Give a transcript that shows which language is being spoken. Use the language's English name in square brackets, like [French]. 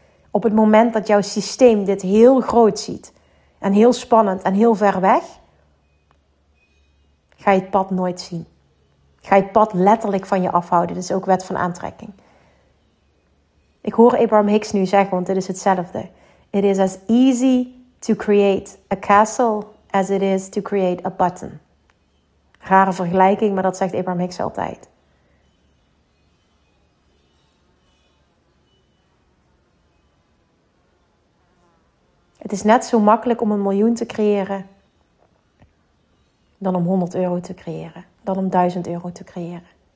[Dutch] Op het moment dat jouw systeem dit heel groot ziet en heel spannend en heel ver weg, ga je het pad nooit zien. Ga je het pad letterlijk van je afhouden. Dat is ook wet van aantrekking. Ik hoor Abraham Hicks nu zeggen, want dit is hetzelfde. [English] It is as easy to create a castle as it is to create a button. [Dutch] Rare vergelijking, maar dat zegt Abraham Hicks altijd. Het is net zo makkelijk om een miljoen te creëren dan om 100 euro te creëren, dan om 1000 euro te creëren.